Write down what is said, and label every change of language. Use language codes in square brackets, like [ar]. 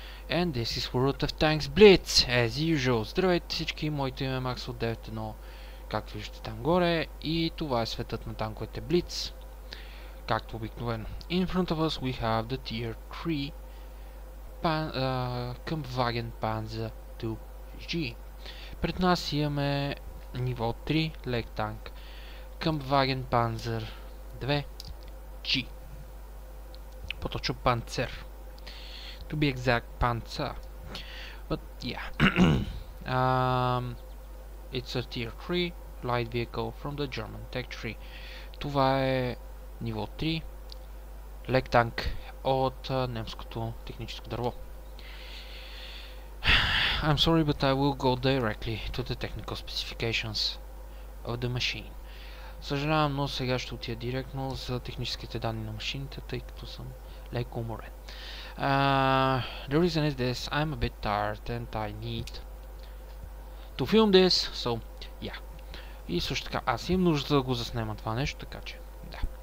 [en] And this is World of Tanks Blitz, as usual. [bg] Здравейте всички, моето име е Maxo91, както виждате там горе. И това е светът на танковете Blitz. Както обикновено. [en] In front of us we have the Tier 3 Kampfwagen Panzer 2G. [bg] Пред нас имаме ниво 3 лек танк Kampfwagen Panzer 2G. Поточно панцер. [en] To be exact, панца. But yeah. it's a tier 3 light vehicle from the German tech tree. [bg] Това е ниво 3 лек танк от немското техническо дърво. [en] I'm sorry, but I will go directly to the technical specifications of the machine. [bg] Съжалявам, но сега ще отида директно за техническите данни на машините, тъй като съм леко уморен. [en] The reason is this, I'm a bit tired and I need to film this, so yeah. [bg] И също така, аз имам нужда да го заснема това нещо, така че да.